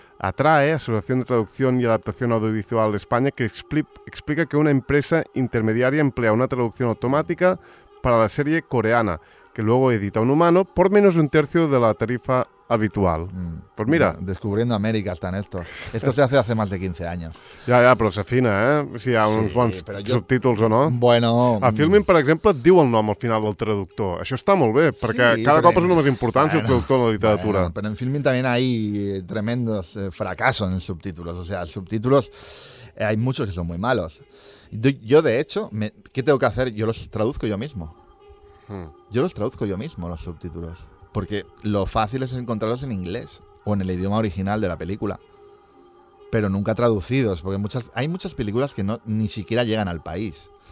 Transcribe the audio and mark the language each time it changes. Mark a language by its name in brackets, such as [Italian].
[Spanish] Atrae, Asociación de Traducción y Adaptación Audiovisual de España, que explica que una empresa intermediaria emplea una traducción automática para la serie coreana, que luego edita un humano por menos de un tercio de la tarifa habitual. Pues mira. Descubriendo América están estos. Esto se hace más de 15 años. [Catalan] Ja, però s'afina, eh? Si hi ha uns bons subtítols o no. Bueno. A Filmin, per exemple, et diu el nom al final del traductor. Això està molt bé, perquè cada cop és una més importància el traductor en la literatura. Però en Filmin també hi ha tremendos fracassos en subtítols. O sigui, els subtítols, hi ha molts que són molt malos. [Spanish] Jo, de hecho, ¿qué tengo que hacer? Yo los traduzco yo mismo. Yo los traduzco yo mismo, los subtítulos. Porque lo fácil es encontrarlos en inglés o en el idioma original de la película. Pero nunca traducidos, porque hay muchas películas que no ni siquiera llegan al país.